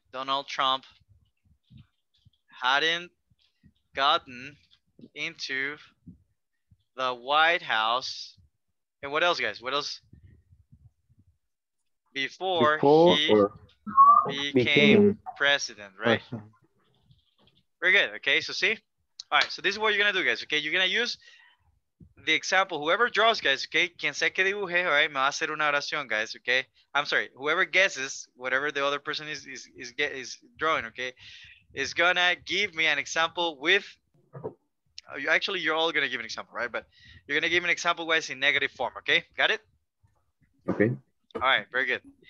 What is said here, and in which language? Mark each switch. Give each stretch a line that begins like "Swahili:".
English: Donald Trump hadn't gotten into the White House. And what else, guys? What else? Before he became president, right? Very good. Okay, so see? All right, so this is what you're going to do, guys. Okay, you're going to use the example. Whoever draws, guys, okay?
Spanish: Quien sé que dibuje,
English: all right?
Spanish: Me va a hacer una oración, guys, okay?
English: I'm sorry. Whoever guesses whatever the other person is drawing, okay, is going to give me an example with... Actually, you're all going to give an example, right? But you're going to give an example, guys, in negative form, okay? Got it? Okay. All right, very good.